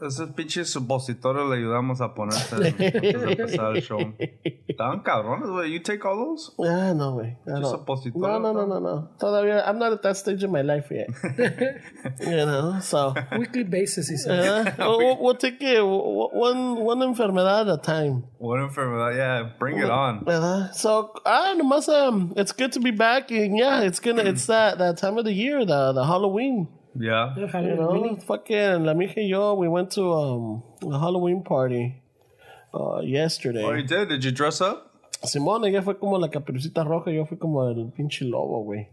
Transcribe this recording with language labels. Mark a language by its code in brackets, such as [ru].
[es] Esos pinches supositorios le ayudamos a ponerse antes de empezar el show. Están cabrones, güey. [en] You take all those? Yeah, no, güey. No. [es] Todavía, [en] I'm not at that stage in my life yet. You know, so weekly basis, he said. We'll take it one enfermedad at a time. One enfermedad, yeah. Bring it on. So, it's good to be back, and yeah, it's gonna it's that time of the year, the Halloween. Yeah, you know, fucking [es] la mija y yo, [en] we went to a Halloween party yesterday. Oh, you did? Did you dress up? [es] Simone, ella fue como la Caperucita Roja, yo fui como el pinche lobo, güey.